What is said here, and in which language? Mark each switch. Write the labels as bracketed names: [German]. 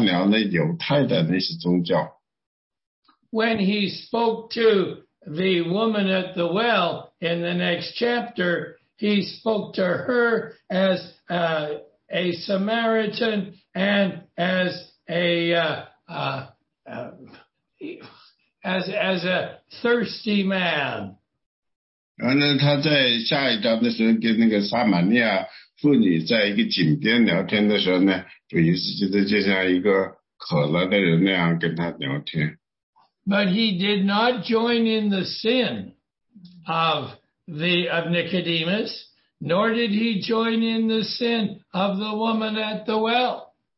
[Chinese] 因为尼克迪姆呢，他是一个犹太人。那么主耶稣基督呢，跟尼克迪姆聊的时候呢，他就说跟他聊那犹太的那些宗教。 [English] When he spoke to the woman at the well in the next chapter, he spoke to her as a Samaritan and as a thirsty man. [Chinese] 然后呢，他在下一章的时候跟那个撒玛利亚妇女在一个井边聊天的时候呢，主耶稣就像一个渴了的人那样跟他聊天。 [English] But he did not join in the sin of Nicodemus, nor did he join in the sin of the woman at the well.